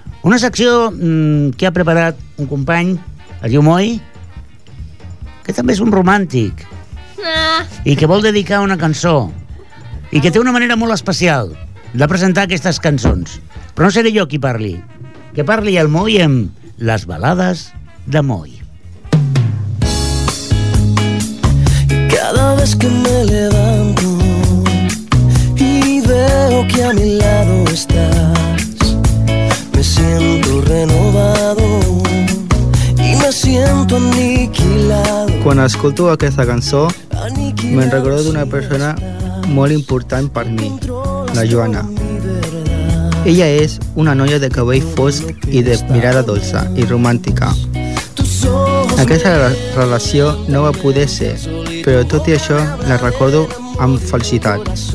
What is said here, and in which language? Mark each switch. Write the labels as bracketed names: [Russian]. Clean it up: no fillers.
[Catalan] Una secció que ha preparat un company, es diu Moi, que també és un romàntic i que vol dedicar una cançó i que té una manera molt especial de presentar aquestes cançons. Però no seré jo qui parli. Que parli el Moi amb Les balades de Moi. [Spanish] Cada vez que me levanto y veo que a mi lado estás, me siento renovado y me siento aniquilado. [Catalan] Quan escolto aquesta cançó, me'n recordo d'una persona molt important per mi, la Joana. Ella és una noia de cabell fosc i de mirada dolça i romàntica. Aquesta relació no va poder ser, però tot i això la recordo amb felicitat.